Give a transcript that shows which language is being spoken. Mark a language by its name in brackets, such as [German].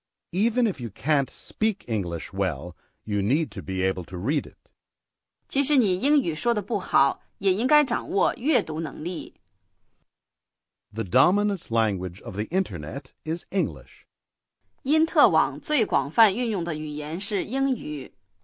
[English] Even if you can't speak English well, you need to be able to read it. [Chinese] 即使你英语说得不好，也应该掌握阅读能力。 [English] The dominant language of the Internet is English. [Chinese] 因特网最广泛运用的语言是英语。